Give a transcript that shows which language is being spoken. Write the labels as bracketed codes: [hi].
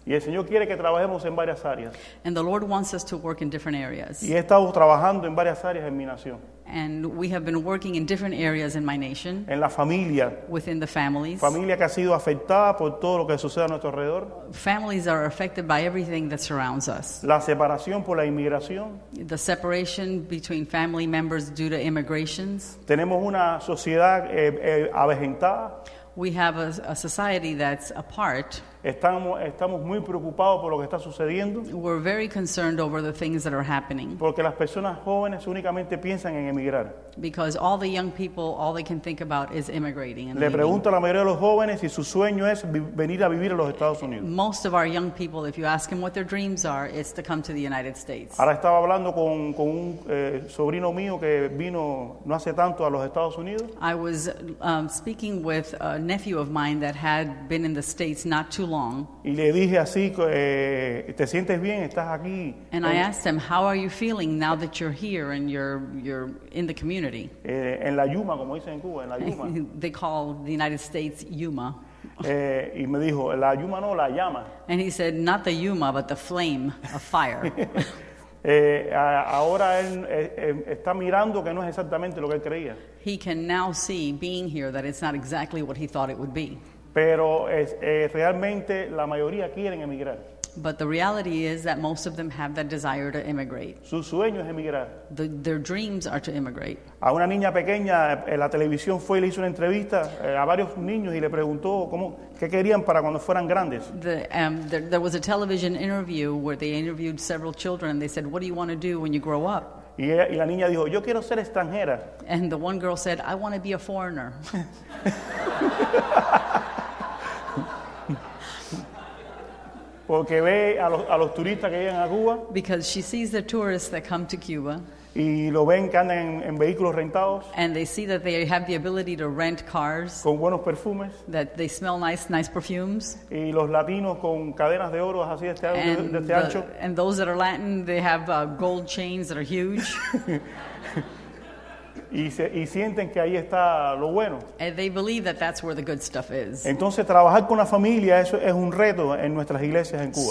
[es] Y el Señor quiere que trabajemos en varias áreas. [en] And the Lord wants us to work in different areas. [es] Y he estado trabajando en varias áreas en mi nación. [en] And we have been working in different areas in my nation. [es] En la familia. [en] Within the families. [es] Familia que ha sido afectada por todo lo que sucede a nuestro alrededor. [en] Families are affected by everything that surrounds us. [es] La separación por la inmigración. [en] The separation between family members due to immigrations. [es] Tenemos una sociedad avejentada. [en] We have a society that's apart. [es] Estamos muy preocupados por lo que está sucediendo. [en] We're very concerned over the things that are happening. [es] Porque las personas jóvenes únicamente piensan en emigrar. [en] Because all the young people, all they can think about is immigrating. [es] Le pregunto a la mayoría de los jóvenes si su sueño es venir a vivir a los Estados Unidos. [en] Most of our young people, if you ask them what their dreams are, it's to come to the United States. [es] Ahora estaba hablando con un sobrino mío que vino no hace tanto a los Estados Unidos. [en] I was speaking with a nephew of mine that had been in the States not too long. [es] Y le dije así, ¿te sientes bien? ¿Estás aquí? [en] And I asked him, how are you feeling now that you're here and you're in the community? [es] En la Yuma, como dicen en Cuba, en la Yuma. [en] They call the United States Yuma. [es] Y me dijo, la Yuma no, la llama. [en] And he said, not the Yuma, but the flame, a fire. [es] ahora él está mirando que no es exactamente lo que él creía. [en] He can now see, being here, that it's not exactly what he thought it would be. [es] Pero realmente la mayoría quieren emigrar. [en] But the reality is that most of them have that desire to immigrate. [es] Su sueño es emigrar. [en] Their dreams are to immigrate. [es] A una niña pequeña, la televisión fue y le hizo una entrevista a varios niños y le preguntó qué querían para cuando fueran grandes. [en] There was a television interview where they interviewed several children and they said, what do you want to do when you grow up? [es] Y la niña dijo, yo quiero ser extranjera. [en] And the one girl said, I want to be a foreigner. [es] Porque ve a los turistas que llegan a Cuba. [en] Because she sees the tourists that come to Cuba. [es] Y lo ven que andan en vehículos rentados. [en] And they see that they have the ability to rent cars. [es] Con buenos perfumes. [en] That they smell nice perfumes. [es] Y los latinos con cadenas de oro así de este ancho. [en] And those that are Latin, they have gold chains that are huge. [es] Y sienten que ahí está lo bueno. [en] And they believe that that's where the good stuff is. [es] Entonces, trabajar con la familia, eso es un reto en nuestras iglesias en Cuba.